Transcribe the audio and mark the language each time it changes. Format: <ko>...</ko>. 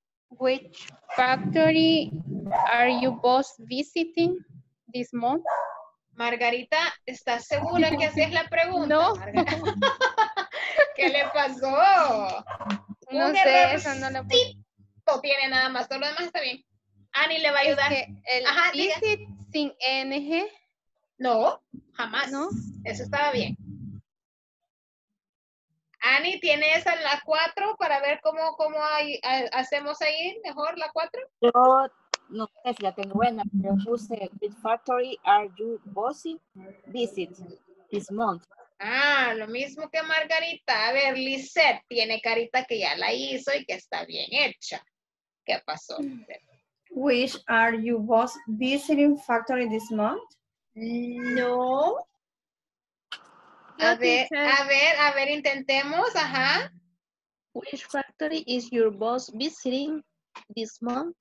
<en>Which factory are you both visiting this month?</en> <es>Margarita, ¿estás segura que así es la pregunta? No. ¿Qué le pasó? No un sé, errorcito eso no lo... tiene nada más, todo lo demás está bien. Ani le va a ayudar. Visit sin NG. No, jamás. ¿No? Eso estaba bien. Ani, ¿tienes a la 4 para ver cómo hay, hacemos ahí mejor la 4? Yo no sé si la tengo buena, pero puse</es> <en>Big Factory, are you bossing? Visit this month.</en> <es>Ah, lo mismo que Margarita. A ver, Lizeth tiene carita que ya la hizo y que está bien hecha. ¿Qué pasó?</es> <en>Which are you both visiting factory this month?</en> <es>No. A ver, intentemos, ajá.</es> <en>Which factory is your boss visiting this month?</en>